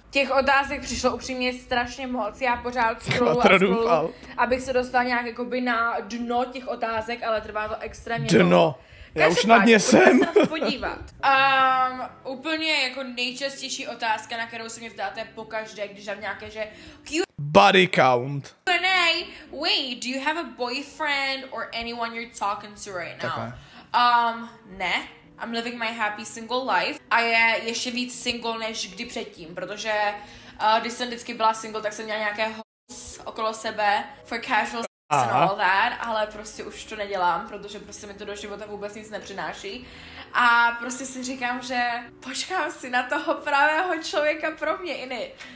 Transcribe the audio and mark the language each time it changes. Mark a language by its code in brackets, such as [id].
[cs] Těch otázek přišlo upřímně strašně moc, já pořád scrollu a scrollu, abych se dostal nějak jakoby na dno těch otázek, ale trvá to extrémně dno. Dlouho. Každopádě, já už na dně jsem. Podívat. Úplně jako nejčastější otázka, na kterou se mě ptáte pokaždé, když mám nějaké, že... [en] Body count. Ne, wait, do you have a boyfriend or anyone you're talking to right now? Ne. I'm living my happy single life. [cs] A je ještě víc single než kdy předtím, protože když jsem vždycky byla single, tak jsem měla nějaké hos okolo sebe [en] for casual... All that, [cs] ale prostě už to nedělám, protože prostě mi to do života vůbec nic nepřináší. A prostě si říkám, že počkám si na toho pravého člověka pro mě, iny.